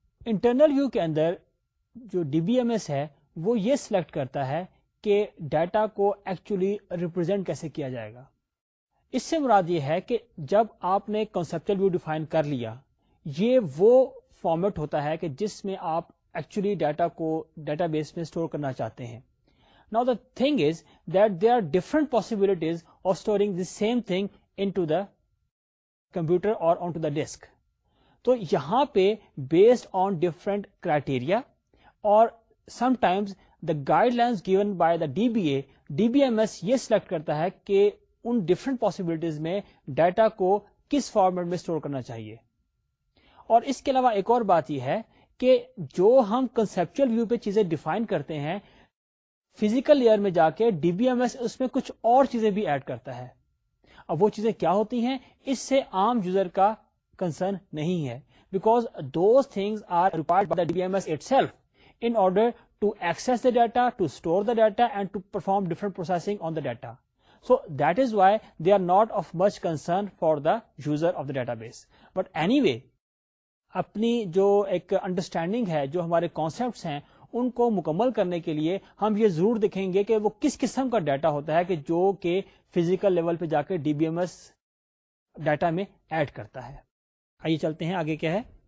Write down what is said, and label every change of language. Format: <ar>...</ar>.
<ur>Internal view کے اندر جو D B M S ہے وہ یہ سلیکٹ کرتا ہے کہ ڈیٹا کو ایکچولی ریپرزینٹ کیسے کیا جائے گا. اس سے مراد یہ ہے کہ جب آپ نے کنسپچل ویو ڈیفائن کر لیا, یہ وہ فارمیٹ ہوتا ہے کہ جس میں آپ ایکچولی ڈیٹا کو ڈیٹا بیس میں سٹور کرنا چاہتے ہیں.</ur> <en>Now the thing is that they are different possibilities of storing the same thing into the computer or onto the desk.</en> <ur>تو یہاں پہ</ur> <en>based on different criteria</en> <ur>اور</ur> <en>sometimes the guidelines given by the D B A,</en> <ur>D B M S یہ select کرتا ہے کہ in different possibilities میں ڈیٹا کو کس فارمیٹ میں سٹور کرنا چاہیے. اور اس کے علاوہ ایک اور بات یہ ہے کہ جو ہم کنسپچل ویو پہ چیزیں ڈیفائن کرتے ہیں, فزیکل لیئر میں جا کے ڈی بی ایم ایس اس میں کچھ اور چیزیں بھی ایڈ کرتا ہے. اب وہ چیزیں کیا ہوتی ہیں, اس سے عام یوزر کا کنسرن نہیں ہے,</ur> <en>Because those things are required by the D B M S itself in order to access the data, to store the data, and to perform different processing on the data. So that is why they are not of much concern for the user of the database. But anyway,</en> <ur>اپنی جو ایک understanding ہے, جو ہمارے concepts ہیں, ان کو مکمل کرنے کے لیے ہم یہ ضرور دیکھیں گے کہ وہ کس قسم کا ڈیٹا ہوتا ہے کہ جو کہ فزیکل لیول پہ جا کے D B M S data میں ایڈ کرتا ہے. آئیے چلتے ہیں آگے کیا ہے.</ur>